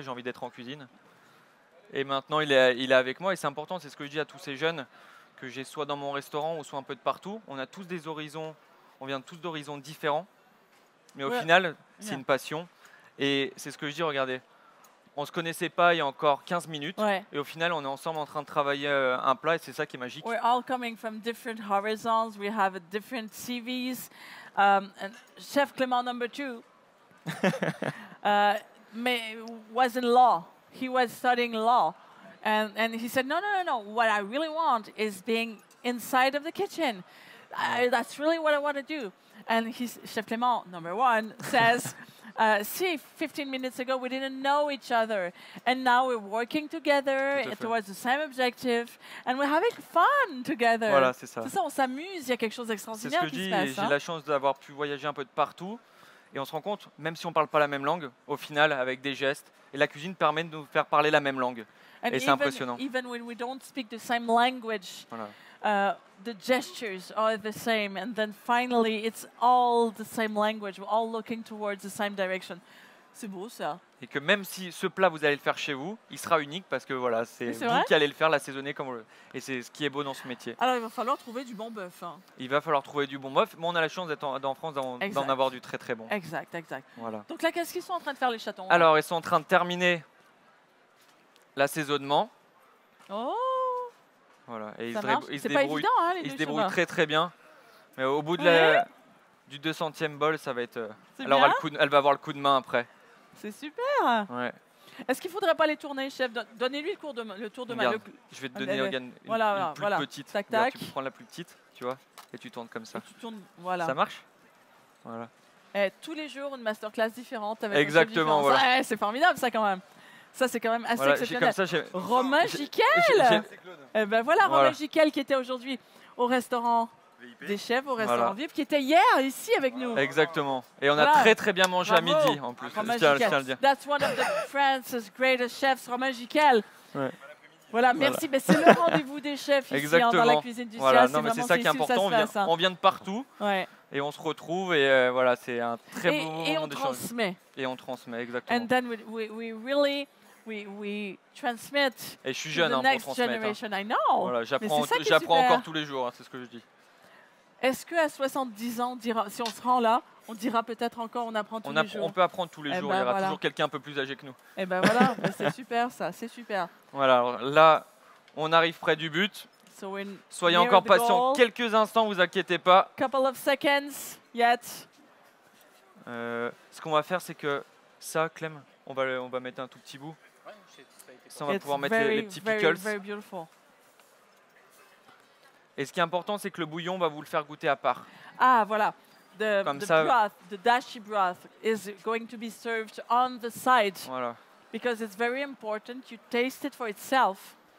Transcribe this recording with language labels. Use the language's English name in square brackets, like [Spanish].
[French] J'ai envie d'être en cuisine. » Et maintenant, il est avec moi et c'est important, c'est ce que je dis à tous ces jeunes que j'ai soit dans mon restaurant ou soit un peu de partout. On a tous des horizons, on vient tous d'horizons différents, mais au final, c'est une passion. Et c'est ce que je dis, regardez, on ne se connaissait pas il y a encore 15 minutes et au final, on est ensemble en train de travailler un plat et c'est ça qui est magique. [English] We're all coming from different horizons, we have different CVs. And Chef Clément number two was in law. He was studying law. And he said, no. What I really want is being inside of the kitchen. That's really what I want to do. And Chef Clément number one says, 15 minutes ago, we didn't know each other. And now we're working together towards the same objective. And we're having fun together. [French] Voilà, c'est ça. C'est ça, on s'amuse, il y a quelque chose d'extraordinaire qui se passe. J'ai la chance d'avoir pu voyager un peu de partout. Et on se rend compte, même si on ne parle pas la même langue, au final, avec des gestes, et la cuisine permet de nous faire parler la même langue. [English] And [French] et c'est impressionnant. [English] Even when we don't speak the same language, the gestures are the same, and then finally, it's all the same language. We're all looking towards the same direction. [French] C'est beau ça. Et que même si ce plat vous allez le faire chez vous, il sera unique parce que voilà, c'est vous qui allez le faire, l'assaisonner comme vous le. Et c'est ce qui est beau dans ce métier. Alors il va falloir trouver du bon bœuf. Il va falloir trouver du bon bœuf. Mais on a la chance d'être en France d'en avoir du très très bon. Exact, exact. Voilà. Donc là, qu'est-ce qu'ils sont en train de faire les chatons? Alors ils sont en train de terminer l'assaisonnement. Oh. Voilà. Et ça marche. C'est pas évident, hein, les deux. Ils se débrouillent très très bien. Mais au bout de du 200e bol, ça va être. Alors elle va avoir le coup de main après. C'est super. Ouais. Est-ce qu'il ne faudrait pas les tourner, chef? Donnez-lui le tour de main. Regarde, je vais te donner petite. Tac, tac. Regarde, tu prends la plus petite, tu vois, et tu tournes comme ça. Et tu tournes, voilà. Ça marche? Voilà. Et tous les jours, une masterclass différente avec. Exactement, voilà. Ça, c'est formidable, ça, quand même. Ça, c'est quand même assez exceptionnel. Romain Jiquel! Eh ben voilà, Romain Jiquel qui était aujourd'hui au restaurant. VIP. Des chèvres au restaurant voilà. VIP qui était hier ici avec nous. Exactement. Et on a voilà. très très bien mangé Bravo. À midi en plus. Romain Giquel. [English] That's one of the France's greatest chefs, Romain Giquel. [French] Ouais. Voilà, merci. Voilà. Mais c'est le rendez-vous des chefs ici Exactement. Hein, dans la cuisine du voilà. ciel. Non, mais c'est ça qui est important. On vient de partout. Ouais. Et on se retrouve et voilà, c'est un très beau moment d'échange. Et on transmet. Et on transmet, exactement. [English] And then we really, we transmit. [French] Et je suis jeune pour transmettre. Hein. [English] I know. [French] Voilà, j'apprends encore tous les jours, hein, c'est ce que je dis. Est-ce qu'à 70 ans, si on se rend là, on dira peut-être encore, on apprend tous les jours. On peut apprendre tous les jours, il y aura toujours quelqu'un un peu plus âgé que nous. Et ben voilà, c'est super ça, c'est super. Voilà, alors là, on arrive près du but. Soyez encore patients quelques instants, vous inquiétez pas. [English] Couple of seconds yet. [French] Ce qu'on va faire, c'est que ça, Clem, on va mettre un tout petit bout. Ça, on va pouvoir mettre les petits pickles. [English] Very, very beautiful. [French] Et ce qui est important, c'est que le bouillon, on va vous le faire goûter à part. Ah, voilà. [English] The dashi broth is going to be served on the side. [French] Voilà. [English] Because it's very important you taste it for itself.